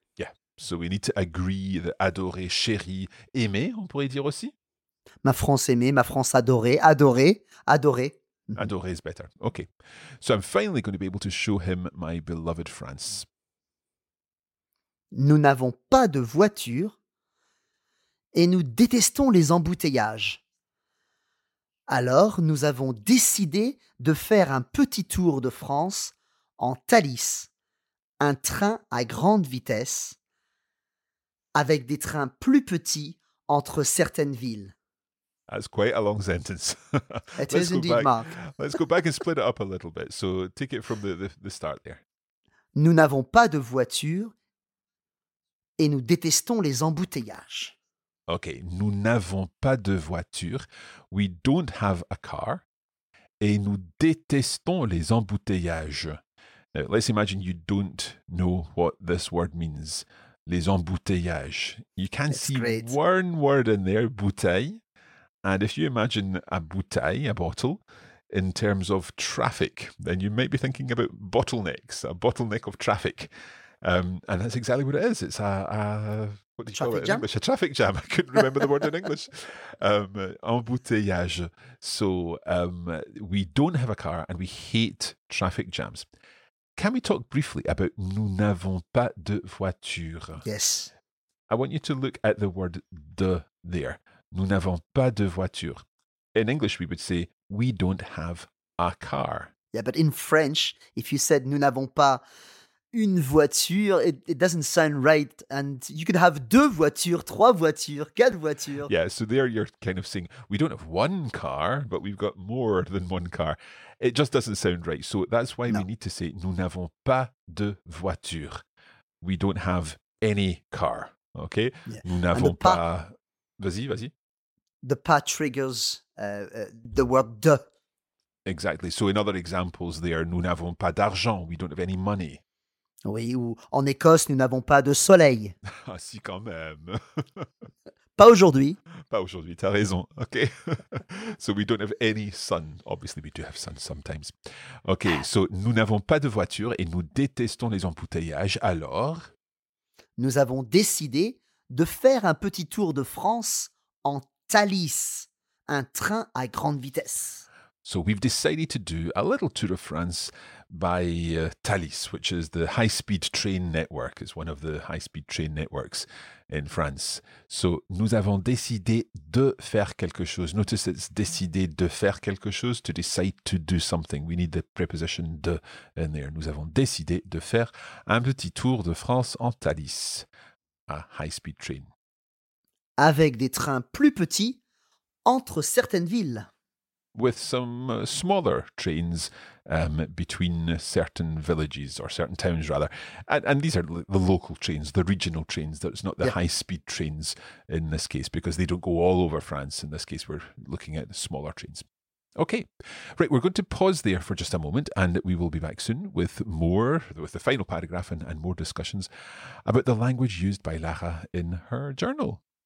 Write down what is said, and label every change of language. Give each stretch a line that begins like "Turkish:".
English: Yeah, so we need to agree the
French: adorée, chérie, aimée, on pourrait dire aussi. Ma France aimée, ma France adorée, adorée, adorée.
English: Adore is better. Okay. So I'm finally going to be able to show him my beloved France.
French: Nous n'avons pas de voiture et nous détestons les embouteillages. Alors, nous avons décidé de faire un petit tour de France en Thalys, un train à grande vitesse, avec des trains plus petits entre certaines villes.
English: That's quite a long sentence. It is indeed, back. Mark. Let's go back and split it up a little bit. So take it from the start there.
French: Nous n'avons pas de voiture et nous détestons les embouteillages. Okay, nous n'avons pas de voiture.
English: We don't have a car
French: et nous détestons les embouteillages.
English: Now, let's imagine you don't know what this word means.
French: Les embouteillages.
English: You can see great. One word in there, bouteille. And if you imagine a bouteille, a bottle, in terms of traffic, then you might be thinking about bottlenecks, a bottleneck of traffic. And that's exactly what it is. It's a traffic jam. I couldn't remember the word in English. Embouteillage. So we don't have a car and we hate traffic jams. Can we talk briefly about
French: nous n'avons pas de voiture?
English: Yes. I want you to look at the word de there.
French: Nous n'avons pas de voiture.
English: In English, we would say, we don't have a car. Yeah, but in French, if you said
French: nous n'avons pas une voiture,
English: it doesn't sound right. And you could have
French: deux voitures, trois voitures, quatre voitures.
English: Yeah, so there you're kind of saying, we don't have one car, but we've got more than one car. It just doesn't sound right. So that's why we need to say
French: nous n'avons pas de voiture.
English: We don't have any car, okay? Yeah.
French: Nous n'avons pas... Vas-y.
English: The pas triggers the word de. Exactly. So in other examples there,
French: nous n'avons pas d'argent.
English: We don't have any money.
French: Oui, ou en Écosse, nous n'avons pas de soleil. Ah si, quand même. Pas aujourd'hui, t'as raison.
English: OK. So we don't have any sun. Obviously, we do have sun sometimes. OK, so
French: nous n'avons pas de voiture et nous détestons les embouteillages. Alors? Nous avons décidé de faire un petit tour de France en Thalys, un train à grande vitesse.
English: So we've decided to do a little tour of France by Thalys, which is the high-speed train network. It's one of the high-speed train networks in France. So
French: nous avons décidé de faire quelque chose.
English: Notice it's
French: décidé de faire quelque chose,
English: to decide to do something. We need the preposition de in there.
French: Nous avons décidé de faire un petit tour de France en Thalys,
English: a high-speed train.
French: Avec des trains plus petits entre certaines villes.
English: With some smaller trains between certain villages or certain towns, rather. And these are the local trains, the regional trains. That's not the high-speed trains in this case, because they don't go all over France. In this case, we're looking at smaller trains. Okay. Right, we're going to pause there for just a moment, and we will be back soon with more, with the final paragraph and more discussions about the language used by Lara in her journal.